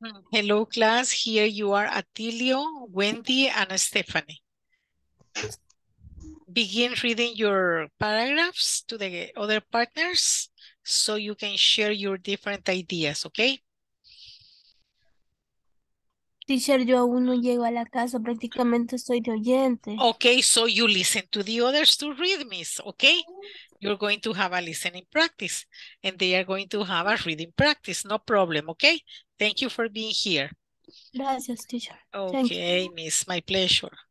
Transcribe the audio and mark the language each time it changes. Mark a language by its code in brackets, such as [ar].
[en] Hello, class. Here you are, Atilio, Wendy, and Stephanie. Begin reading your paragraphs to the other partners so you can share your different ideas, okay? [es] Teacher, yo aún no llego a la casa, prácticamente estoy de oyente. [en] Okay, so you listen to the others to read, miss, okay? You're going to have a listening practice, and they are going to have a reading practice, no problem, okay? Thank you for being here. [es] Gracias, teacher. [en] Okay, miss, my pleasure.